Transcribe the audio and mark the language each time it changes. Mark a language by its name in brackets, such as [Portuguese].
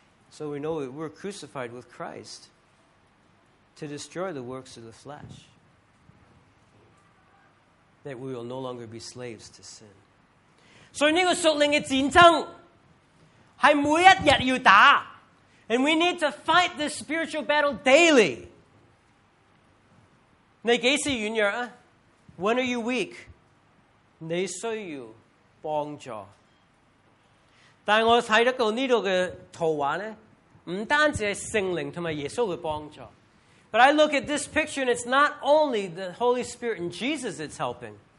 [English] So we know that we're crucified with Christ to destroy the works of the flesh, that we will no longer be slaves to sin. [Chinese] 所以这个属灵的战争是每一日要打, [English] and we need to fight this spiritual battle daily. [Chinese] 你几时软弱? [English] When are you weak? [Chinese] 你需要帮助。但我看到这里的图画呢, 不单只是圣灵和耶稣的帮助, [English] but I look at this picture and it's not only the Holy Spirit and Jesus that's helping.